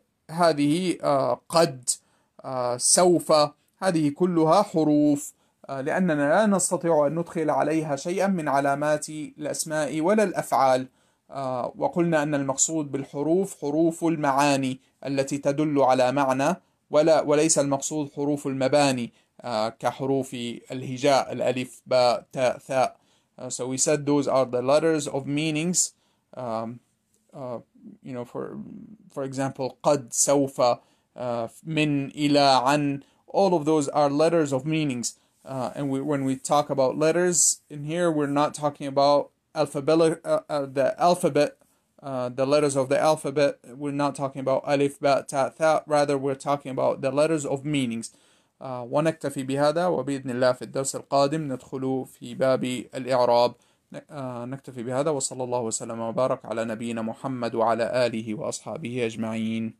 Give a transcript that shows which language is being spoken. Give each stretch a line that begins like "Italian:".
Arabic: هذه قد سوف هذه كلها حروف لأننا لا نستطيع أن ندخل عليها شيئا من علامات الأسماء ولا الأفعال وقلنا أن المقصود بالحروف حروف المعاني التي تدل على معنى وليس المقصود حروف المباني كحروف الهجاء الألف باء تاء ثاء.
English: So we said those are the letters of meanings, you know, for example, قد, سوف, من, إلى, عن, all of those are letters of meanings. And we, when we talk about letters in here, we're not talking about the alphabet, the letters of the alphabet. We're not talking about ألف, باء, تاء, ثاء. Rather, we're talking about the letters of meanings.
Arabic: ونكتفي بهذا وبإذن الله في الدرس القادم ندخل في باب الإعراب نكتفي بهذا وصلى الله وسلم وبارك على نبينا محمد وعلى آله وأصحابه أجمعين.